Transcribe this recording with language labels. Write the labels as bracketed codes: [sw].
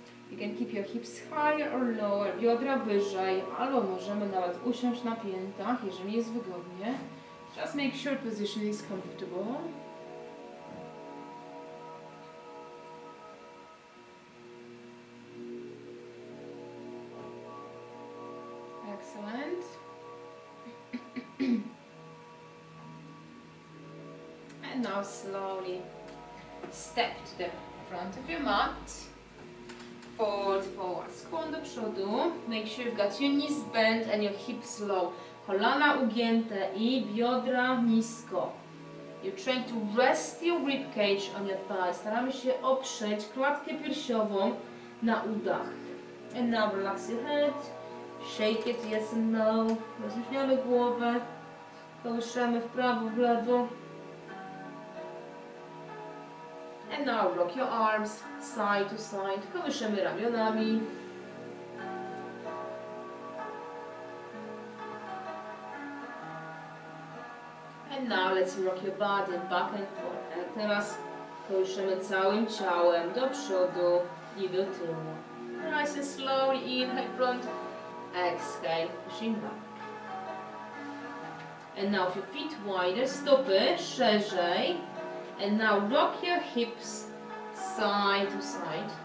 [en] You can keep your hips higher or lower. [pl] Biodra wyżej. Albo możemy nawet usiąść na piętach, jeżeli jest wygodnie. [en] Just make sure position is comfortable. Excellent. And now slowly step to the front of your mat. Fold forward. [pl] Skłon do przodu. [en] Make sure you've got your knees bent and your hips low. [pl] Kolana ugięte i biodra nisko. [en] You're trying to rest your ribcage on your thigh. [pl] Staramy się oprzeć klatkę piersiową na udach. [en] And now relax your head. Shake it, yes and no. [pl] Rozluźniamy głowę. Kołyszemy w prawo, w lewo. [en] And now rock your arms side to side. [pl] Kołyszemy ramionami. [en] And now let's rock your body back and forth. [pl] And teraz kołyszemy całym ciałem do przodu i do tyłu. [en] Nice and slowly inhale front. Exhale, pushing back. And now if your feet wider, [pl] stopy szerzej. [en] And now rock your hips side to side.